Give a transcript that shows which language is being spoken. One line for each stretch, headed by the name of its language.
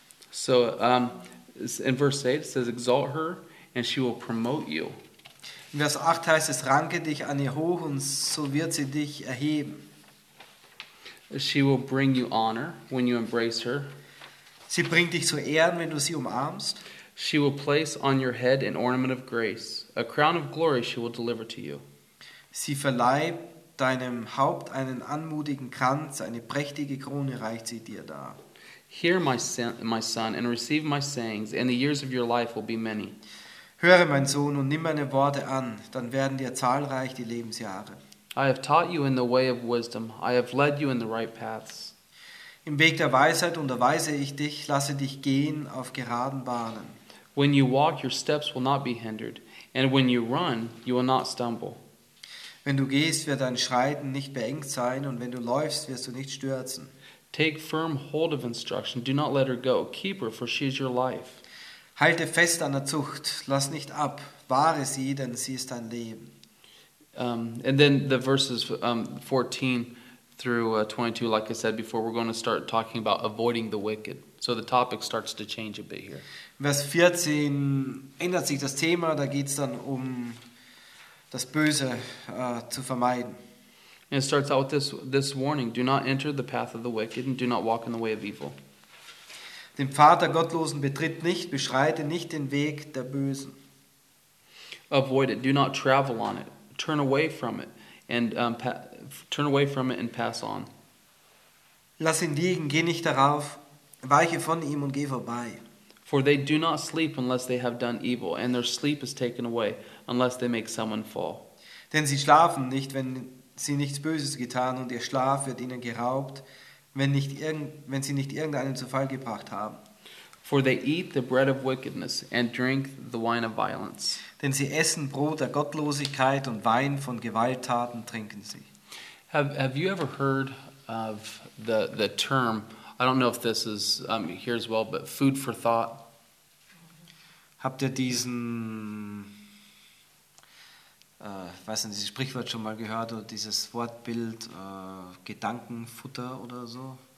English: So in verse 8 it says, "Exalt her, and she will promote you."
German: In Vers 8 heißt es, ranke dich an ihr hoch und so wird sie dich erheben.
English: She will bring you honor when you embrace her.
German: Sie bringt dich zu Ehren, wenn du sie umarmst.
English: She will place on your head an ornament of grace. A crown of glory she will deliver to you.
German: Sie verleiht deinem Haupt einen anmutigen Kranz, eine prächtige Krone reicht sie dir dar.
English: Hear my son, and receive my sayings, and the years of your life will be many.
German: Höre, mein Sohn, und nimm meine Worte an, dann werden dir zahlreich die Lebensjahre.
English: I have taught you in the way of wisdom. I have led you in the right paths.
German: Im Weg der Weisheit unterweise ich dich, lasse dich gehen auf geraden Bahnen.
English: When you walk, your steps will not be hindered, and when you run, you will not stumble.
German: Wenn du gehst, wird dein Schreiten nicht beengt sein, und wenn du läufst, wirst du nicht stürzen.
English: Take firm hold of instruction. Do not let her go. Keep her, for she is your life.
German: Halte fest an der Zucht, lass nicht ab, wahre sie, denn sie ist dein Leben.
English: And then the verses 14 through 22, like I said before, we're going to start talking about avoiding the wicked. So the topic starts to change a bit here.
German: Vers 14 ändert sich das Thema, da geht es dann um das Böse zu vermeiden.
English: And it starts out with this warning, do not enter the path of the wicked and do not walk in the way of evil.
German: Den Pfad der Gottlosen betritt nicht, beschreite nicht den Weg der Bösen.
English: Avoid it, do not travel on it, turn away from it and pass on.
German: Lass ihn liegen, geh nicht darauf, weiche von ihm und geh vorbei.
English: For they do not sleep unless they have done evil, and their sleep is taken away unless they make someone fall.
German: Denn sie schlafen nicht, wenn sie nichts Böses getan, und ihr Schlaf wird ihnen geraubt, wenn sie nicht irgendeinen zu Fall gebracht haben.
English: For they eat the bread of wickedness and drink the wine of violence.
German: Denn sie essen Brot der Gottlosigkeit und Wein von Gewalttaten trinken sie.
English: Have you ever heard of the term, I don't know if this is here as well, but food for thought?
German: Habt ihr diesen, weiß nicht, dieses Sprichwort schon mal gehört oder dieses Wortbild Gedankenfutter oder so?